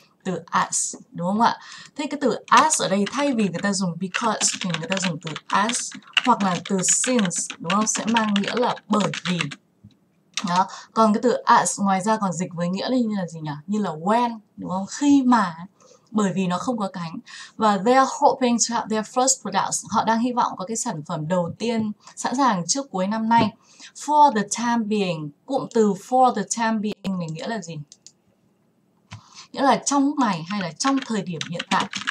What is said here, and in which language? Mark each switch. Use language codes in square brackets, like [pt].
[vi] Từ as, đúng không ạ? Thế cái từ as ở đây thay vì người ta dùng because thì người ta dùng từ as, hoặc là từ since, đúng không? Sẽ mang nghĩa là bởi vì. Đó. Còn cái từ as ngoài ra còn dịch với nghĩa như là gì nhỉ? Như là when, đúng không? Khi mà, bởi vì nó không có cánh. Và [en] they are hoping to have their first products. [vi] Họ đang hy vọng có cái sản phẩm đầu tiên sẵn sàng trước cuối năm nay. [en] For the time being, [vi] cụm từ [en] for the time being [vi] này nghĩa là gì? Nghĩa là trong lúc này hay là trong thời điểm hiện tại.